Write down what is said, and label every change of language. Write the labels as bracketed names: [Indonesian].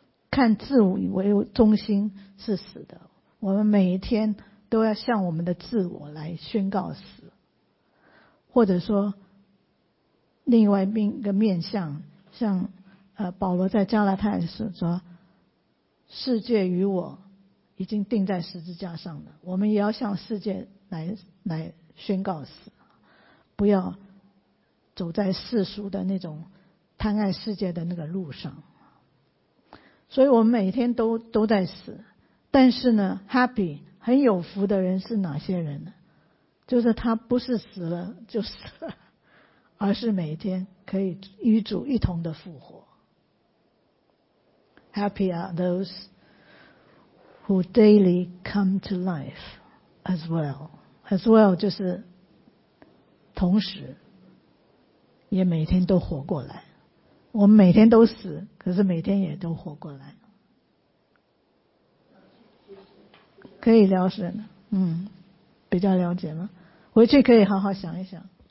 [Chinese] 看自我为中心是死的，我们每一天都要向我们的自我来宣告死，或者说另外一个面向，像保罗在加拉太时说，世界与我已经定在十字架上了，我们也要向世界来宣告死，不要走在世俗的那种贪爱世界的那个路上。所以我们每天都在死，但是呢 happy 很有福的人是哪些人呢？就是他不是死了就死了，而是每天可以与主一同的复活。 [English] Happy are those who daily come to life as well. [Chinese] As well 就是同时也每天都活过来。我们每天都死，可是每天也都活过来。可以了解吗？比较了解吗？回去可以好好想一想。